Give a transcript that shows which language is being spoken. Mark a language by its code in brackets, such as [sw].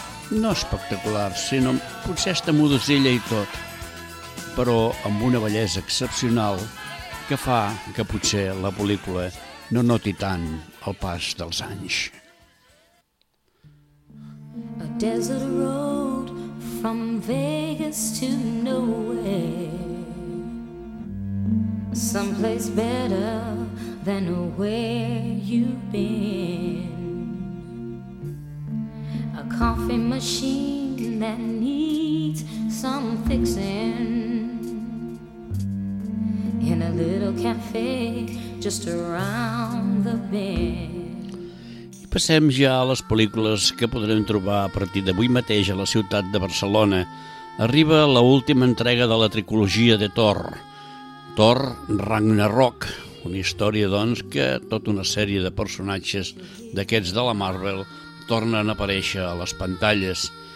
[ca] No espectacular, sinó potser està modosella i tot, però amb una bellesa excepcional que fa que potser la pel·lícula no noti tant el pas dels anys. [en] A desert road from Vegas to nowhere, someplace better than where you've been. A coffee machine that needs needs some fixing. In a little cafe just around the bend. [ca] Passem ja a les pel·lícules que podrem trobar a partir d'avui mateix a la ciutat de Barcelona. Arriba la última entrega de la trilogia de Thor. Thor Ragnarok, una història doncs que tota una sèrie de personatges d'aquests de la Marvel tornen a aparèixer a les pantalles.